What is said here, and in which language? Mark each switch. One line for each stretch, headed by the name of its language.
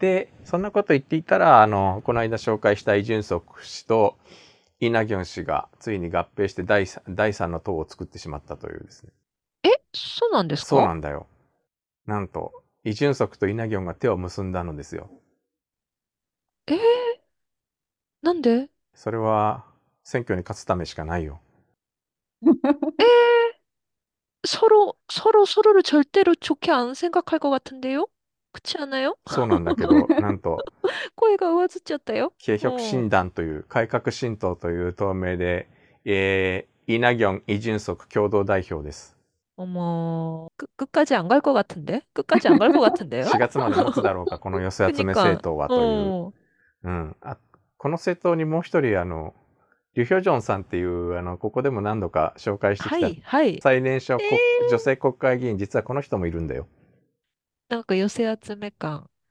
Japanese: で、そんなこと言っていたら、この間紹介したイ・ジュンソク氏とイ・ナギョン氏がついに合併して第三の党を作ってしまったというですね。そうなんですそうか？なんだよ。なんと、イ・ジュンソクとイ・ナギョンが手を結んだのですよ。なんで？それは、選挙に勝つためしかないよ。そろそろ
Korean: 절대로 좋게 안 생각할 것 같은데요? 그렇지 않아요?
Japanese: そうなんだけど、なんと、声が上ずっちゃったよ。 계혁신단という改革新党という党名で、イナギョン・イジュンソク共同代表です。
Korean: 어머, 끝까지 안갈것 같은데? 끝까지 안갈것 같은데요?
Japanese: 4月まで持つだろうか、この寄せ集め政
Korean: 그니까,
Japanese: 党はという。この政党にもう一人、リュ・ヒョジョンさんっていう、ここでも何度か紹介してきた最年少女性国会議員、実はこの人もいるんだよ。なんか寄せ集め感。